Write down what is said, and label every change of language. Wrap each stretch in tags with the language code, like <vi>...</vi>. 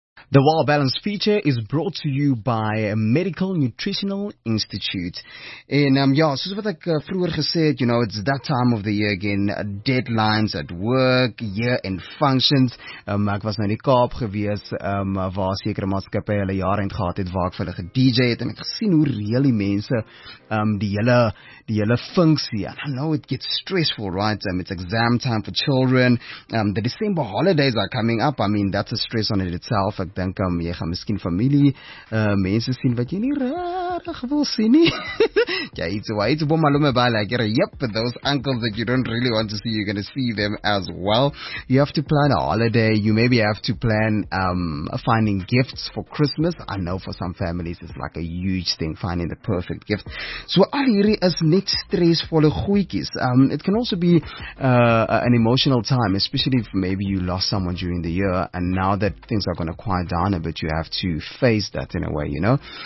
<en>The Wild Balance feature is brought to you by Medical Nutritional Institute. And yeah,</en> <af>soos wat ek vroeger gesê het,</af> <en>you know, it's that time of the year again. Deadlines at work, year-end functions.</en> <af>Ek was nou in die Kaap gewees, waar sekere maatskappye hulle jaar-end gehad het, waar ek vir hulle ge-DJ het, en ek gesien hoe reëel die mense die hele funksie.</af> <en>And I know it gets stressful, right? It's exam time for children. The December holidays are coming up. I mean, that's a stress on it itself.</en> <af>Ek dink jy gaan miskien familie mense sien wat jy nie regtig wil sien nie.</af> <en>Jy iets waar iets bo malume ba like, yep, those uncles that you don't really want to see, you're going to see them as well. You have to plan a holiday. You maybe have to plan finding gifts for Christmas. I know for some families it's like a huge thing, finding the perfect gift.</en> <af>So al hierdie is net stressvolle goeitjies.</af> <en>It can also be an emotional time, especially if maybe you lost someone during the year, and now that things are going to quiet down a bit, you have to face that in a way, you know.</en>